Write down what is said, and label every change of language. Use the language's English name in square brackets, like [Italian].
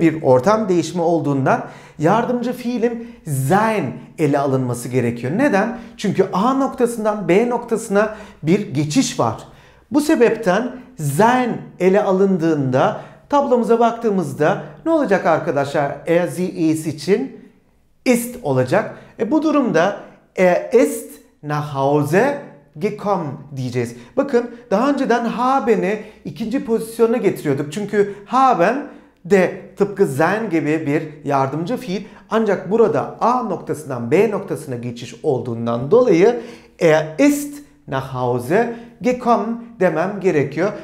[Turkish] Bir ortam değişimi olduğundan yardımcı fiilim sein ele alınması gerekiyor. Neden? Çünkü A noktasından B noktasına bir geçiş var. Bu sebepten sein ele alındığında tablomuza baktığımızda ne olacak arkadaşlar? [German] Er sie es [Turkish] için [German] ist [Turkish] olacak. Bu durumda [German] er ist nach Hause [Turkish] gekommen diyeceğiz. Bakın daha önceden haben'i ikinci pozisyona getiriyorduk. Çünkü haben de tıpkı sein gibi bir yardımcı fiil. Ancak burada A noktasından B noktasına geçiş olduğundan dolayı [German] er ist nach Hause gekommen [Turkish] demem gerekiyor.